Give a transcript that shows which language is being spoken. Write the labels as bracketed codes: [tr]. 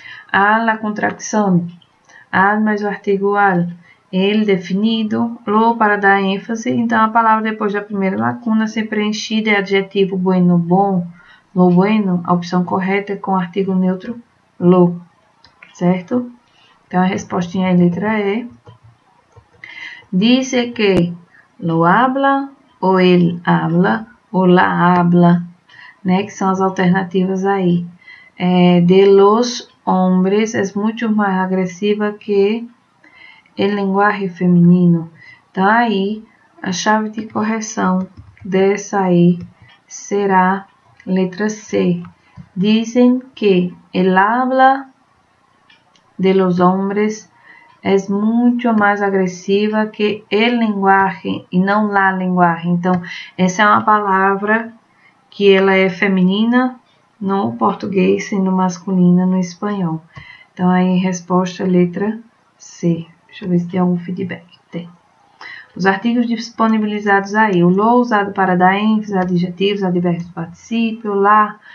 [pt] A la contracción. Al mais o artigo al, ele definido, lo para dar ênfase, então a palavra depois da primeira lacuna ser preenchida é adjetivo bueno, bom, [es] lo bueno, [pt] a opção correta é com artigo neutro, lo, certo? Então a respostinha aí, letra E. [es] Dice que lo habla, ou él habla, ou la habla, né? [pt] Que são as alternativas aí. [es] De los hombres es mucho más agresiva que el lenguaje feminino. [pt] Então, aí, a chave de correção dessa aí será letra C. [es] Dicen que el habla de los hombres es mucho más agresiva que el lenguaje y no la lenguaje. [pt] Então, essa é uma palavra que ela é feminina no português, sendo masculina no espanhol. Então, aí, resposta, letra C. Deixa eu ver se tem algum feedback. Tem. Os artigos disponibilizados aí. O lo usado para dar ênfase, adjetivos, advérbios do particípio, lá.